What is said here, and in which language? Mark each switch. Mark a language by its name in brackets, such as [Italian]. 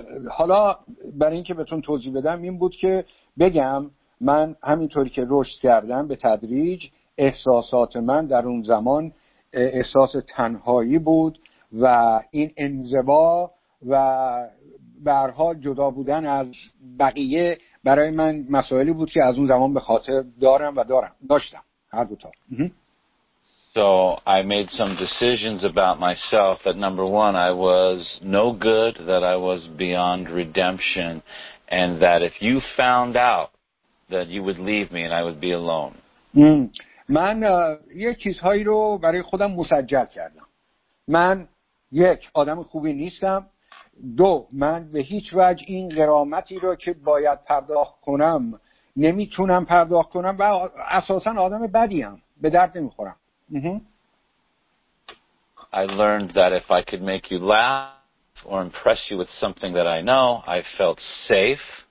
[Persian] حالا برای اینکه بهتون توضیح بدم این بود که بگم من همینطوری که رشد کردم به تدریج احساسات من در اون زمان احساس تنهایی بود و این انزوا و برها جدا بودن از بقیه برای من مسائلی بود که از اون زمان به خاطر داشتم هر دو تا. [English] So I made some decisions about myself that number one I was no good, that I was beyond redemption, and that if you found out that you would leave me and I would be alone. [Persian] من یه چیزهایی رو برای خودم مسجل کردم. من یک آدم خوبی نیستم، دو من به هیچ وجه این غرامتی رو که باید پرداخت کنم نمیتونم پرداخت کنم و اساسا آدم بدیم، به درد نمیخورم. [English] I learned that if I could make you laugh or impress you with something that I know, I felt safe.